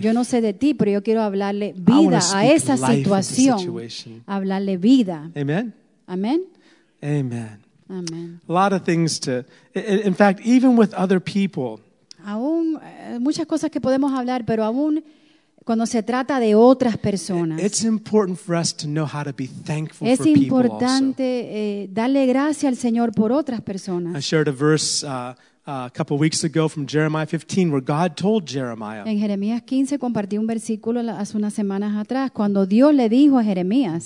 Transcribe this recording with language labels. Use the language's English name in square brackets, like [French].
[Spanish] Yo no sé de ti, pero yo quiero hablarle vida a esa situación. Hablarle vida. Amen. Amen. Amen. Amen. [English] A lot of things to. In fact, even with other people. [Spanish] Aún muchas cosas que podemos hablar, pero aún cuando se trata de otras personas. [English] It's important for us to know how to be thankful for people. [Spanish] Es importante darle gracias al Señor por otras personas. [English] I shared a verse a couple of weeks ago from Jeremiah 15 where God told Jeremiah. [Spanish] En Jeremías 15 compartí un versículo hace unas semanas atrás cuando Dios le dijo a Jeremías.